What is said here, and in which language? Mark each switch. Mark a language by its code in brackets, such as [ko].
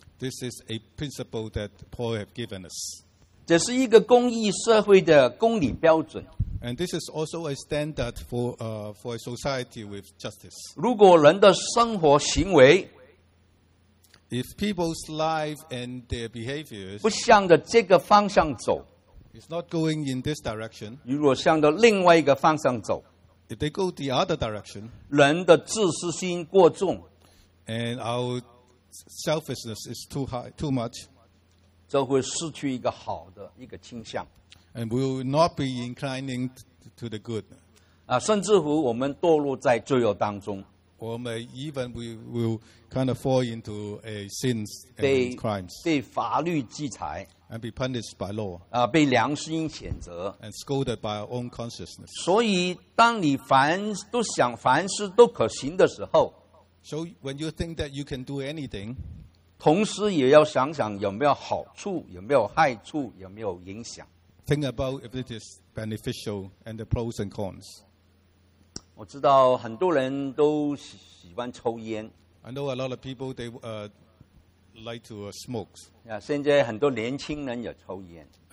[en] This is a principle that Paul has given us. [zh] 这是一个公益社会的公理标准。 [en] And this is also a standard for a society with justice. [zh] 如果人的生活行为, [en] if people's life and their behaviors [zh] 不向着这个方向走, [en] it's not going in this direction, [zh] 如果向着另外一个方向走, [en] if they go the other direction, [zh] 人的自私心过重, [en] and our selfishness is too high, too much, [zh] 就会失去一个好的倾向。 [en] And we will not be inclining to the good. [zh] 甚至乎我们堕落在罪恶当中。 [en] or may even we will kind of fall into a sins and [zh] 被, [en] crimes. [zh] 被法律制裁, [en] and be punished by law. [zh] 被良心谴责, [en] and scolded by our own consciousness. [zh] 所以当你凡事都可行的时候, [en] so when you think that you can do anything, [zh] 同时也要想想有没有好处,有没有害处,有没有影响。 [en] Think about if it is beneficial and the pros and cons. [zh] 我知道很多人都喜欢抽烟。 [en] I know a lot of people, they like to smoke. [zh] 现在很多年轻人也抽烟。